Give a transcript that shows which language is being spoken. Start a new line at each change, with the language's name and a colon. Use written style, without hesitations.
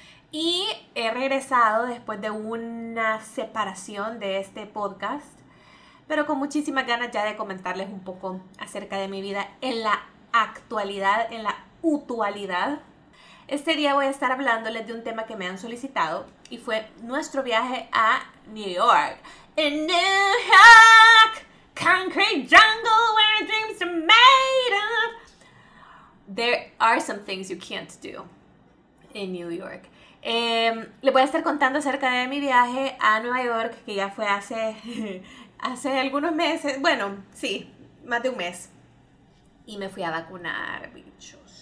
Spanish: Y he regresado después de una separación de este podcast, pero con muchísimas ganas ya de comentarles un poco acerca de mi vida en la actualidad, en la actualidad. Este día voy a estar hablándoles de un tema que me han solicitado y fue nuestro viaje a New York.
English: In New York, concrete jungle where dreams are made of. There are some things you can't do in New York.
Spanish: Les voy a estar contando acerca de mi viaje a Nueva York, que ya fue hace algunos meses. Bueno, sí, más de un mes. Y me fui a vacunar, bicho.